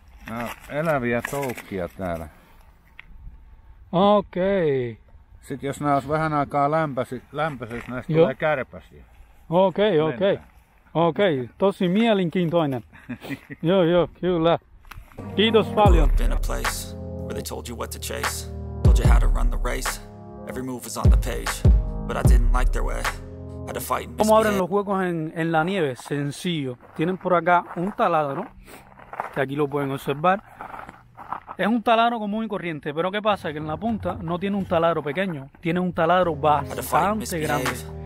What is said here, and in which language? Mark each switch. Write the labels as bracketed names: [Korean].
[Finnish] No, eläviä toukkia täällä. Okei. [English] Okay. [Finnish] Sitten jos nää olis vähän aikaa lämpöisyys, näistä joo. Tulee kärpäsiä. Okei, okei. Okei, tosi mielenkiintoinen. Joo, joo, kyllä. Kiitos paljon. [English] In a place where they told you what to chase, told you how to run the race. Every move was on the page, but I didn't like their way. Had to fight. [Spanish] ¿Cómo abren los huecos en la nieve? Sencillo. Tienen por acá un taladro, que aquí lo pueden observar. Es un taladro común y corriente, pero ¿qué pasa? Que en la punta no tiene un taladro pequeño, tiene un taladro bastante grande.